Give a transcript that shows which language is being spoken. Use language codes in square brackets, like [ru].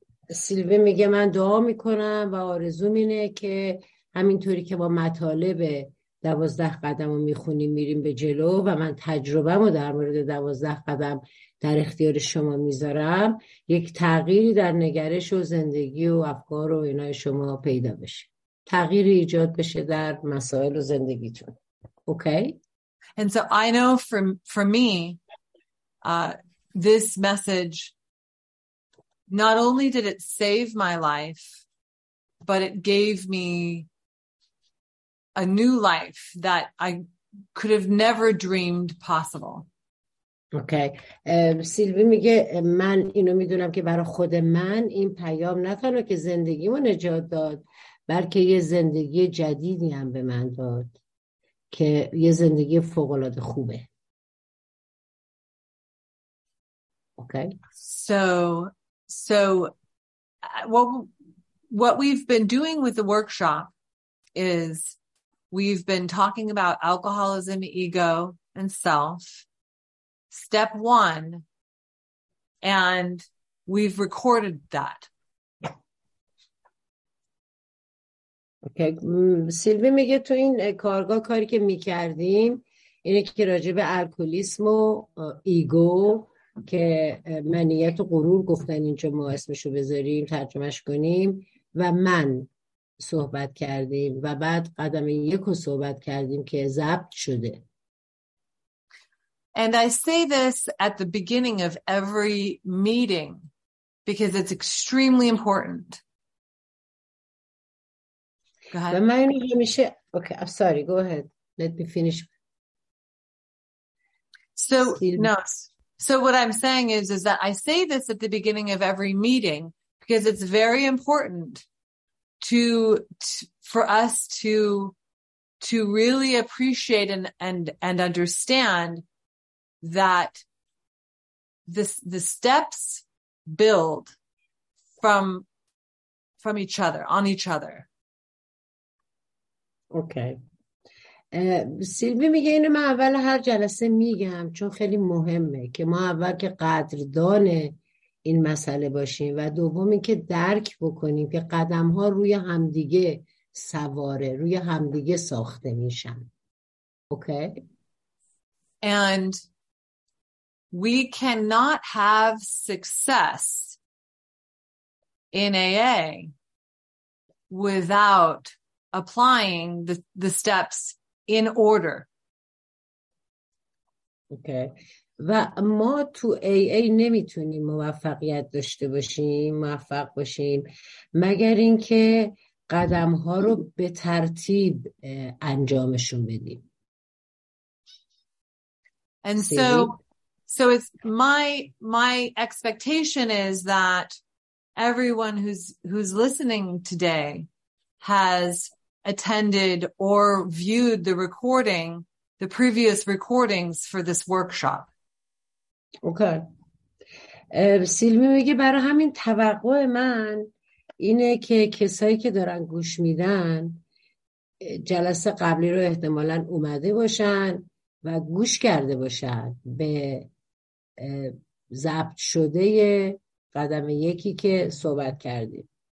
[fa] سیلوی میگه من دعا میکنم و آرزوم اینه که همینطوری که با مطالب 12 قدم رو میخونیم میریم به جلو و من تجربه‌مو در مورد 12 قدم در اختیار شما میذارم، یک تغییری در نگرش و زندگی و افکار و اینای شما پیدا بشه، تغییری ایجاد بشه در مسائل و زندگیتون. [en] Okay. And so I know for me this message not only did it save my life but it gave me a new life that I could have never dreamed possible. Okay. [fa] سیلوی میگه من اینو میدونم که برای خود من این پیام نه تنها که زندگیمو نجات داد، بلکه یه زندگی جدیدی هم به من داد که یه زندگی فوق‌العاده خوبه. [en] Okay. So what we've been doing with the workshop is we've been talking about alcoholism, ego, and self. Step one, and we've recorded that. Okay. [fa] سیلوی میگه تو این کارگاه کاری که میکردیم اینه که راجع به الکلیسم و ایگو که منیت و غرور گفتن اینجا ما اسمشو بذاریم ترجمهش کنیم و من صحبت کردیم و بعد قدم یک رو صحبت کردیم که ضبط شده. [en] And I say this at the beginning of every meeting because it's extremely important. Go ahead. Okay, I'm sorry. Go ahead. Let me finish. So what I'm saying is that I say this at the beginning of every meeting because it's very important for us to really appreciate and understand that the steps build from each other, on each other. Okay. [fa] سیلوی میگه اینو من اول هر جلسه میگم چون خیلی مهمه که ما اول که قدردان این مسئله باشیم و دوم این که درک بکنیم که قدم ها روی همدیگه سواره، روی همدیگه ساخته میشن. [en] Okay. And we cannot have success in AA without applying the steps in order. Okay. [fa] و ما تو AA نمیتونیم موفقیت داشته باشیم، موفق باشیم، مگر اینکه قدم ها رو به ترتیب انجامشون بدیم. [en] And so it's my expectation is that everyone who's listening today has attended or viewed the recording, the previous recordings for this workshop. Okay. [fa] سیلوی میگه برای همین توقع من اینه که کسایی که دارن گوش میدن جلسه قبلی رو احتمالاً اومده باشن و گوش کرده باشن به ضبط شده قدم یکی که صحبت کردیم.